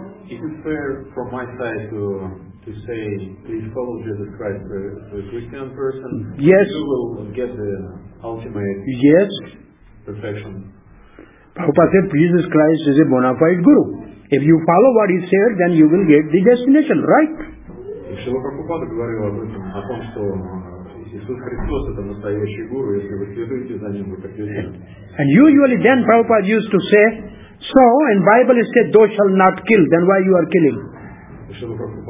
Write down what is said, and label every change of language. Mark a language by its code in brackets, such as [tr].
[en] Is it fair from my side to say please follow Jesus Christ to a Christian person? Yes. You will get the ultimate yes. Perfection. Prabhupada said Jesus Christ is a bona fide guru. If you follow what he said, then you will get the destination, right? [ru] Шрила Прабхупада говорил о том, что Иисус Христос это настоящий гуру, если вы следуете за ним, вы придете. [en] And usually then Prabhupada used to say, so, in Bible it says, thou shalt not kill, then why you are killing?